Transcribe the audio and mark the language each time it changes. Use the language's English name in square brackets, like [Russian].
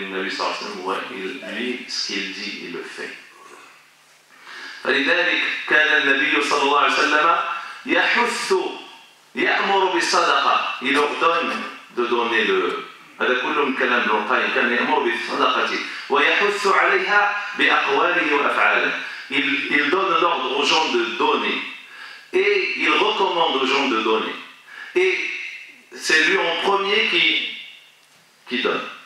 [French] Lui, ce qu'il dit, il le fait. [Arabic] فلذلك كان النبي صلى الله عليه وسلم يحث يأمر بالصدقة. [French] Il ordonne de donner le... [Arabic] هذا كله من كلام ابن القيم. كان يأمر بالصدقة ويحث عليها بأقواله وأفعاله. [French] Il donne l'ordre aux gens de donner et il recommande aux gens de donner. Et c'est lui en premier qui donne.